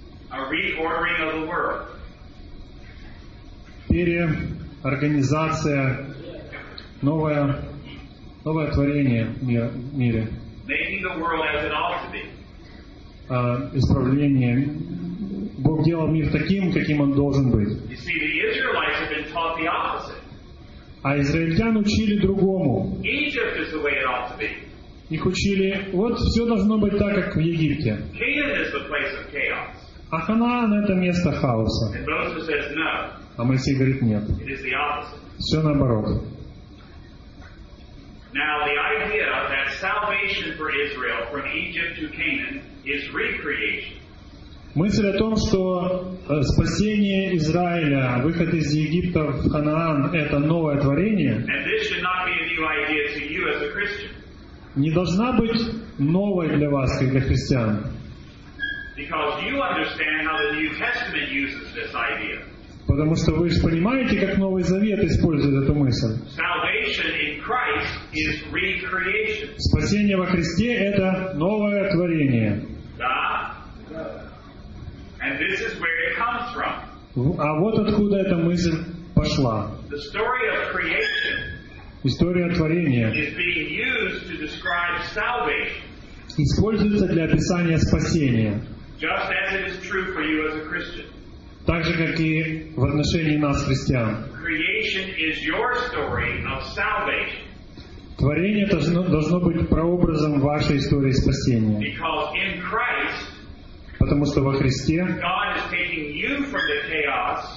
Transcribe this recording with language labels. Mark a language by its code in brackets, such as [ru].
[en] A reordering of the world. [ru] Переорганизация, новое творение в мире. [en] Making the world as it ought to be. [ru] Исправление. Бог делал мир таким, каким он должен быть. [en] You see, the Israelites have been taught the opposite. [ru] А израильтян учили другому. [en] Egypt is the way it ought to be. [ru] Их учили, вот все должно быть так, как в Египте. [en] Canaan is the place of chaos. [ru] А Ханаан — это место хаоса. [en] And Moses says, no. [ru] А Моисей говорит, нет. [en] It is the opposite. [ru] Все наоборот. [en] Now, the idea that salvation for Israel from Egypt to Canaan is recreation. [ru] Мысль о том, что спасение Израиля, выход из Египта в Ханаан — это новое творение, [en] and this should not be a new idea to you as a Christian. [ru] Не должна быть новой для вас, как для христиан. [en] Because you understand how the New Testament uses this idea. [ru] Потому что вы же понимаете, как Новый Завет использует эту мысль. [en] Salvation in Christ is recreation. [ru] Спасение во Христе — это новое творение. [en] Да. And this is where it comes from. [ru] А вот откуда эта мысль пошла. [en] The story of creation [ru] история творения [en] is being used to describe salvation. [ru] Используется для описания спасения. [en] Just as it is true for you as a Christian. [ru] Так же, как и в отношении нас, христиан. [en] Creation is your story of salvation. [ru] Творение должно быть прообразом вашей истории спасения. [en] Because in Christ, [ru] потому что во Христе [en] God is taking you from the chaos,